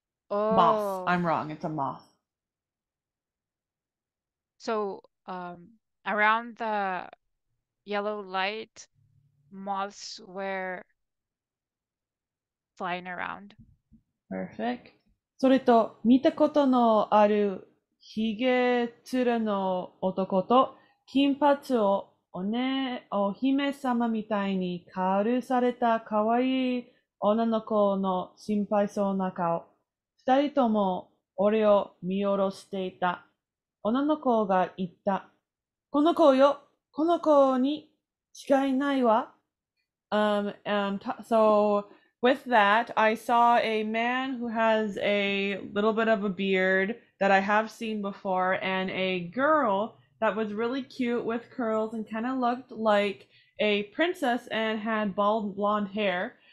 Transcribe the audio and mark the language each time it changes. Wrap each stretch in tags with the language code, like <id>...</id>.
<en>Oh. Moth. I'm wrong. It's a moth. So, around the yellow light, moths were flying around. Perfect.</en> <ja>それと見たことのあるひげつるの男と金髪をお姫様みたいにカールされた可愛い女の子の心配そうな顔。二人とも俺を見下ろしていた。女の子が言った。この子よ、この子に違いないわ。</ja> <en>So, with that, I saw a man who has a little bit of a beard that I have seen before, and a girl that was really cute with curls and kind of looked like a princess and had bald blonde hair.</en>